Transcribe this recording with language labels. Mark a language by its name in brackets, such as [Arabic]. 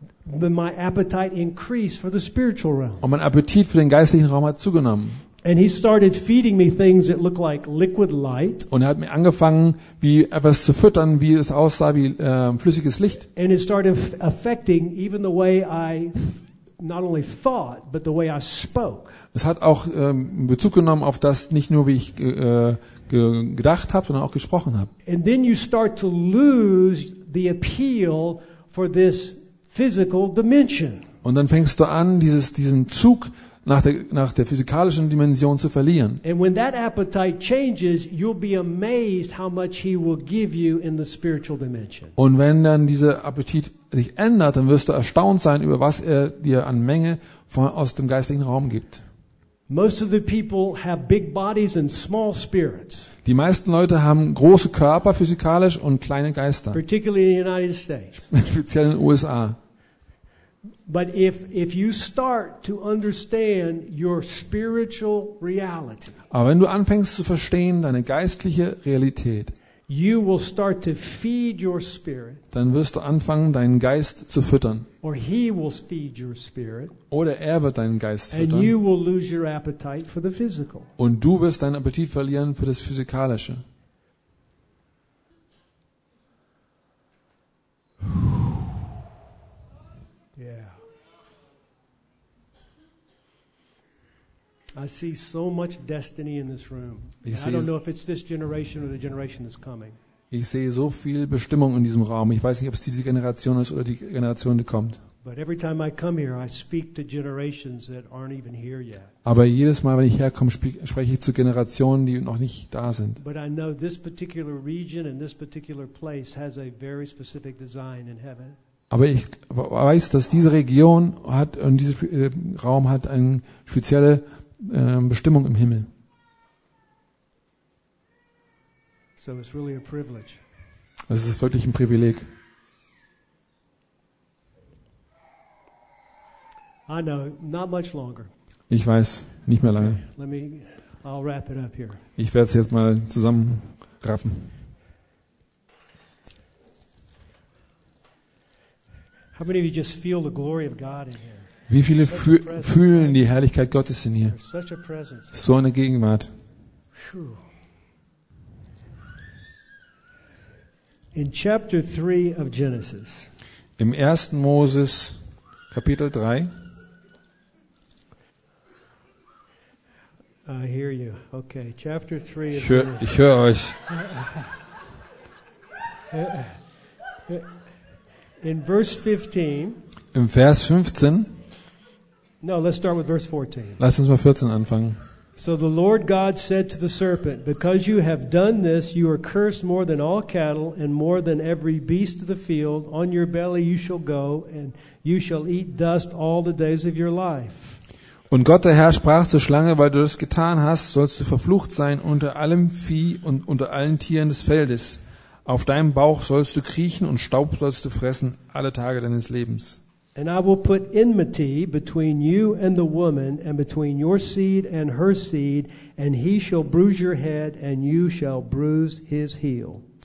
[English] My appetite increased for the spiritual realm. [German] Und mein Appetit für den geistlichen Raum hat zugenommen. [English] And he started feeding me things that looked like liquid light. [German] Und er hat mir angefangen, wie etwas zu füttern, wie es aussah wie flüssiges Licht. [English] And it started affecting even the way I not only thought, but the way I spoke. [German] Es hat auch Bezug genommen auf das, nicht nur wie ich gedacht habe, sondern auch gesprochen habe. [English] And then you start to lose the appeal for this physical dimension. [German] Und dann fängst du an, diesen Zug nach der physikalischen Dimension zu verlieren. [English] And when that appetite changes, you'll be amazed how much he will give you in the spiritual dimension. [German] Und wenn dann dieser Appetit sich ändert, dann wirst du erstaunt sein, über was er dir an Menge aus dem geistlichen Raum gibt. [English] Most of the people have big bodies and small spirits. [German] Die meisten Leute haben große Körper physikalisch und kleine Geister. [English] Particularly in the United States. [German] Speziell in den USA. [English] But if you start to understand your spiritual reality. [German] Aber wenn du anfängst zu verstehen deine geistliche Realität. [English] You will start to feed your spirit. [German] Dann wirst du anfangen deinen Geist zu füttern. [English] Or he will feed your spirit. [German] Oder er wird deinen Geist füttern. [English] And you will lose your appetite for the physical. [German] Und du wirst deinen Appetit verlieren für das Physikalische. [English] I see so much destiny in this room. I don't know if it's this generation or the generation that's coming. [German] Ich sehe so viel Bestimmung in diesem Raum. Ich weiß nicht, ob es diese Generation ist oder die Generation, die kommt. [English] But every time I come here, I speak to generations that aren't even here yet. [German] Aber jedes Mal, wenn ich herkomme, spreche ich zu Generationen, die noch nicht da sind. [English] But I know this particular region and this particular place has a very specific design in heaven. [German] Aber ich weiß, dass diese Region hat und dieser Raum hat eine spezielle Bestimmung im Himmel. [English] So it's really a privilege. [German] Es ist wirklich ein Privileg. [English] I know, not much longer. [German] Ich weiß, nicht mehr lange. [English] Okay, I'll wrap it up here. [German] Ich werde es jetzt mal zusammenraffen. [English] How many of you just feel the glory of God in here? [German] Wie viele fühlen die Herrlichkeit Gottes in hier? So eine Gegenwart. [English] In chapter 3 of Genesis. [German] Im 1. Moses Kapitel 3. [English] I hear you. Okay, chapter 3 of Genesis. [German] Ich höre euch. [English] In verse 15. [German] Im Vers 15. [English] No, let's start with verse 14. [German] Lass uns mal 14 anfangen. [English] So the Lord God said to the serpent, because you have done this, you are cursed more than all cattle and more than every beast of the field. On your belly you shall go and you shall eat dust all the days of your life. [German] Und Gott der Herr sprach zur Schlange, weil du das getan hast, sollst du verflucht sein unter allem Vieh und unter allen Tieren des Feldes. Auf deinem Bauch sollst du kriechen und Staub sollst du fressen alle Tage deines Lebens. [English] And I will put enmity between you and the woman and between your seed and her seed, and he shall bruise your head and you shall bruise his heel.